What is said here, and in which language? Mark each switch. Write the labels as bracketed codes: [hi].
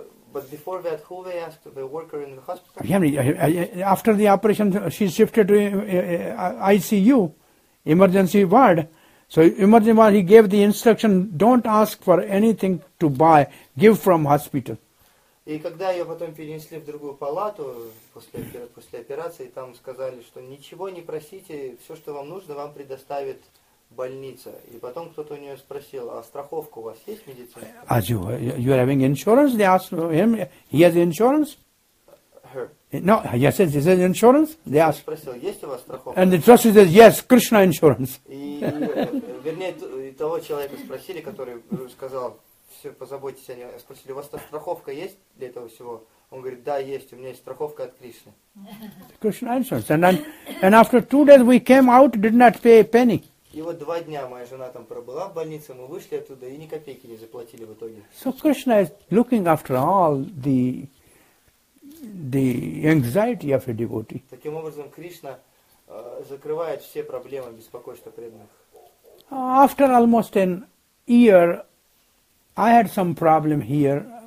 [en] But before that, who they asked, the worker in the hospital? After the operation, she shifted to ICU, emergency ward. So emergency ward, he gave the instruction, don't ask for anything to buy, give from hospital. [ru] И когда ее потом перенесли в другую палату после операции, там сказали, что ничего не просите, все, что вам нужно, вам предоставит больница. И потом кто-то у нее спросил, а страховка у вас есть медицинская? [en] You are having insurance? They asked him, he has insurance? No, yes, is there insurance? They asked. [ru] Спросил, есть у вас страховка? [en] And the trustee says, yes, Krishna insurance. [ru] Вернее, того человека спросили, который сказал, все, позаботьтесь о нем. Спросили, у вас там страховка есть для этого всего? Он говорит, да, есть, у меня есть страховка от Кришны. [en] Krishna insurance. And after 2 days we came out, did not pay a penny. [ru] И вот 2 дня моя жена там пробыла в больнице, мы вышли оттуда и ни копейки не заплатили в итоге. [en] So Krishna is looking after all the anxiety of a devotee. [ru] Таким образом, Кришна закрывает все проблемы, беспокойства преданных. [en] After almost an year, I had some problem here.